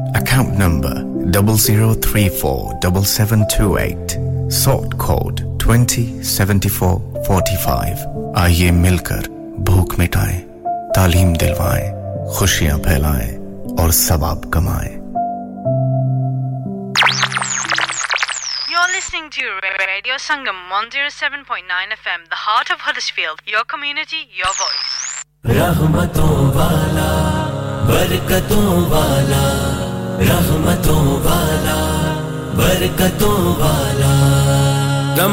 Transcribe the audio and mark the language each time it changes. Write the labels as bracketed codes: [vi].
[ur] account number 00347728 sort code 207445 آئیے مل کر بھوک مٹائیں تعلیم دلوائیں خوشیاں پھیلائیں اور ثواب کمائیں [en] You're listening to Radio Sangam 107.9 FM The heart of Huddersfield Your community, your voice [ur] رحمتوں والا برکتوں والا رحمتوں والا برکتوں والا